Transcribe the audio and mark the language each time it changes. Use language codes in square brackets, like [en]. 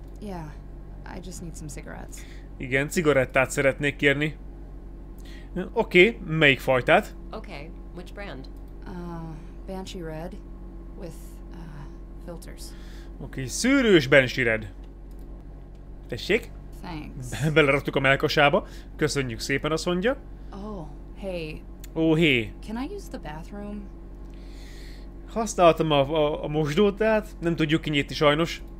[en] Yeah, I just need some cigarettes. [hu] Igen, cigarettát szeretnék kérni. Oké, okay, melyik fajtát? [en] Okay, which brand? Banshee Red with filters. [hu] Oké, okay, szűrős Banshee Red. Tessék? [en] Thanks. [hu] Beleraktuk a melkasába. Köszönjük szépen, azt mondja. [en] Oh, hey. Oh, hey. Can I use the bathroom? [hu] Használtam a mosdót, tehát nem tudjuk kinyitni sajnos.